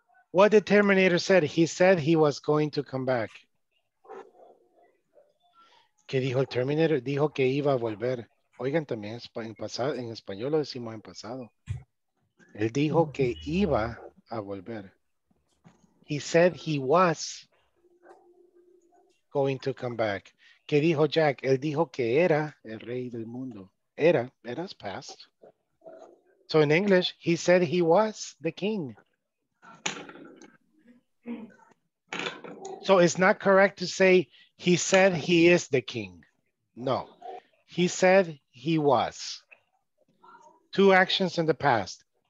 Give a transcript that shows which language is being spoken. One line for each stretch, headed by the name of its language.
English: What the Terminator said, he said he was going to come back.
Spanish: ¿Qué dijo el Terminator? Dijo que iba a volver. Oigan, también en pasado, en español lo decimos en pasado. Él dijo que iba a volver.
English: He said he was going to come back.
Spanish: ¿Qué dijo Jack? Él dijo que era el rey del mundo. Era, era past.
English: So in English, he said he was the king. So it's not correct to say he said he is the king. No, he said he was. Two actions in the past.